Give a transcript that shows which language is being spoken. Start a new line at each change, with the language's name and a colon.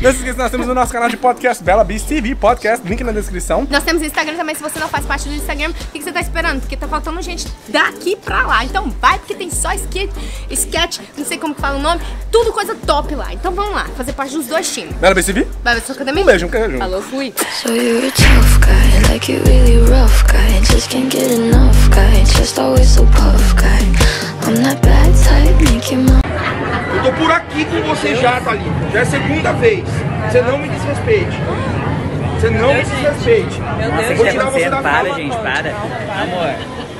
Portuguese: Não se esqueça, nós temos o nosso canal de podcast, Bela Beast TV Podcast, link na descrição. Nós temos Instagram também, se você não faz parte do Instagram, o que você tá esperando? Porque tá faltando gente daqui pra lá. Então vai, porque tem só sketch, não sei como que fala o nome, tudo coisa top lá. Então vamos lá, fazer parte dos dois times. Bela Beast TV? Bela Beast Academy? Um beijo, um beijo. Falou, fui.
English: So you're a tough guy, like you're really rough guy, just can't get enough guy, just always so puff guy, I'm that bad type, make your mom.
Portuguese: Eu tô por aqui com você já, Thalita. Já é a segunda vez. Você não me desrespeite. Você não me desrespeite. Meu Deus, vou tirar você da minha. Para, gente, para. Amor.